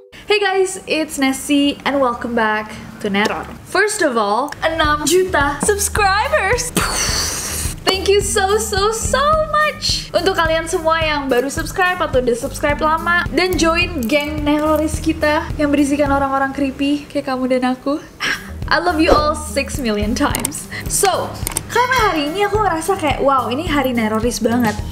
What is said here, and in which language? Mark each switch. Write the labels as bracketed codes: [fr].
[en] Hey guys, it's Nessie and welcome back to Neror. First of all, 6 [id] juta [en] subscribers. Thank you so much [id] untuk kalian semua yang baru subscribe atau udah subscribe lama dan join geng Neroris kita yang berisikan orang-orang creepy kayak kamu dan aku. [en] I love you all 6 million times. [id] So, karena hari ini aku ngerasa kayak wow, ini hari Neroris banget.